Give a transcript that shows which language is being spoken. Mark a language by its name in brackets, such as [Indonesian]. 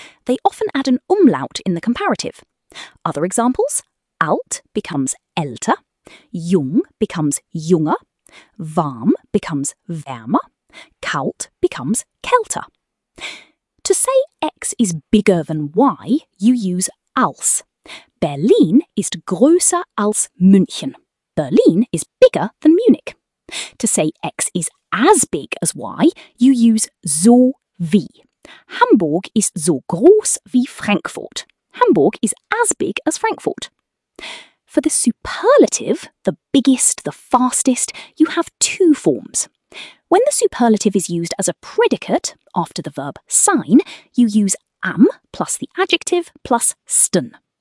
[English] They often add an umlaut in the comparative. Other examples: alt becomes älter, jung becomes junger, warm becomes wärmer, kalt becomes kälter. To say X is bigger than Y, you use als. [German] Berlin ist größer als München. [English] Berlin is bigger than Munich. To say X is as big as Y, you use so wie. [German] Hamburg ist so groß wie Frankfurt. [English] Hamburg is as big as Frankfurt. For the superlative, the biggest, the fastest, you have two forms. When the superlative is used as a predicate, after the verb sein, you use am plus the adjective plus sten.